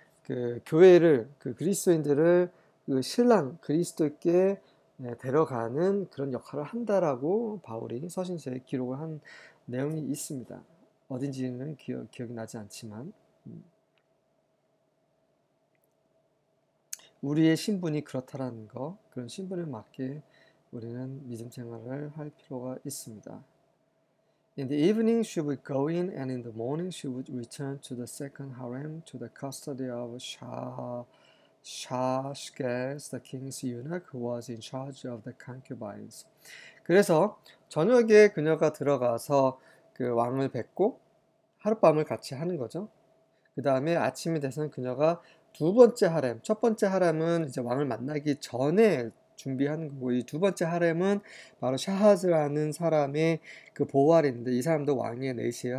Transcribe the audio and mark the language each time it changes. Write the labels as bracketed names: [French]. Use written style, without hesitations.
[Korean] 그 교회를 그 그리스도인들을 그 신랑 그리스도께 데려가는 그런 역할을 한다라고 바울이 서신서에 기록을 한 내용이 있습니다. 어딘지는 기억이 나지 않지만 우리의 신분이 그렇다라는 거 그런 신분에 맞게 우리는 믿음 생활을 할 필요가 있습니다. [English] In the evening she would go in, and in the morning she would return to the second harem to the custody of Shashgaz, the king's eunuch, who was in charge of the concubines. [Korean] 그래서 저녁에 그녀가 들어가서 그 왕을 뵙고 하룻밤을 같이 하는 거죠. 그 다음에 아침이 돼서는 그녀가 두 번째 하렘, 첫 번째 하렘은 이제 왕을 만나기 전에 준비하는 거고 이 두 번째 하렘은 바로 샤하즈라는 사람의 그 보호할인데 이 사람도 왕의 내시예요.